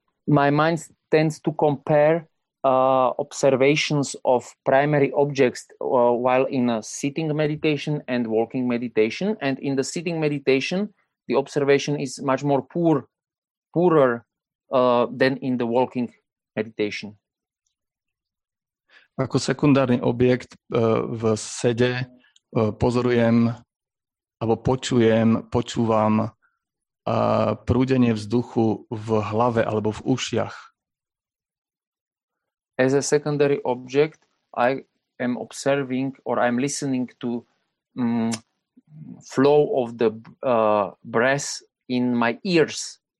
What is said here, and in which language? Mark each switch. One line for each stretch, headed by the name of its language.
English: My mind tends to compare observations of primary objects while in a sitting meditation and walking meditation. And in the sitting meditation, the observation is much more poorer than in the walking meditation.
Slovak: Ako sekundárny objekt v sede pozorujem alebo počúvam prúdenie vzduchu v hlave alebo v ušiach.
English: As a secondary object, I am observing or I'm listening to flow of the breath in my ears.